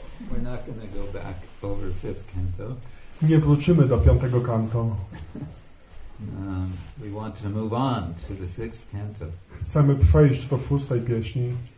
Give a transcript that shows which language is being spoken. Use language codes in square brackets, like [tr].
[en] We're not gonna go back over fifth canto. [pl] Nie wrócimy do piątego kanto. [en] We want to move on to the sixth canto. [pl] Chcemy przejść do szóstej pieśni.